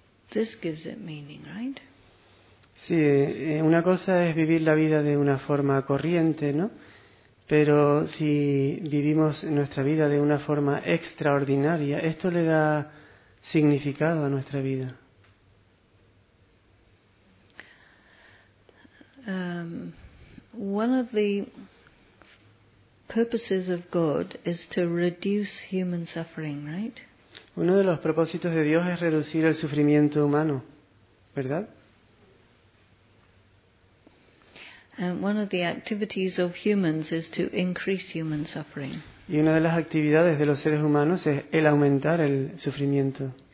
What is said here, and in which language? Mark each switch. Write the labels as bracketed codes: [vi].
[en] This gives it meaning, right? [es] Sí, una cosa es vivir la vida de una forma corriente, ¿no? Pero si vivimos nuestra vida de una forma extraordinaria, esto le da significado a nuestra vida. [en] One of the purposes of God is to reduce human suffering, right? [es] Uno de los propósitos de Dios es reducir el sufrimiento humano, ¿verdad? [en] And one of the activities of humans is to increase human suffering. [es] Y una de las actividades de los seres humanos es el aumentar el sufrimiento.